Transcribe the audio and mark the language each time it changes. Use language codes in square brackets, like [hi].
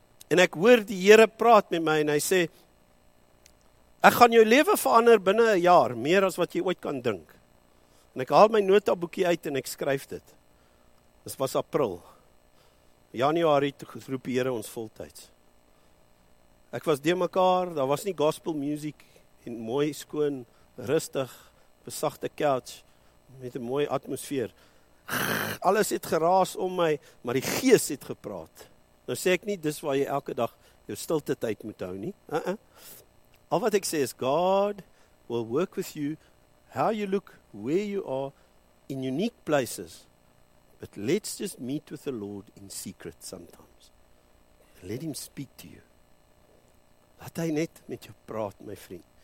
[af] En ek hoor die Here praat met my en hy sê, ek gaan jou lewe verander binne 'n jaar, meer as wat jy ooit kan dink. En ek haal my notaboekie uit en ek skryf dit. Dit was April. Januarie roep die Here ons voltyds. Ek was deur mekaar, daar was nie gospel music en mooi, skoon, rustig, besagte couch, met 'n mooi atmosfeer. Alles het geraas om my, maar die gees het gepraat. Nou sê ek nie, dis waar jy elke dag jou stilte tyd moet hou nie. [en] Al wat ek sê is, God will work with you, how you look, where you are, in unique places. But let's just meet with the Lord in secret sometimes. [af] Let him speak to you. Laat hy net met jou praat, my vriend.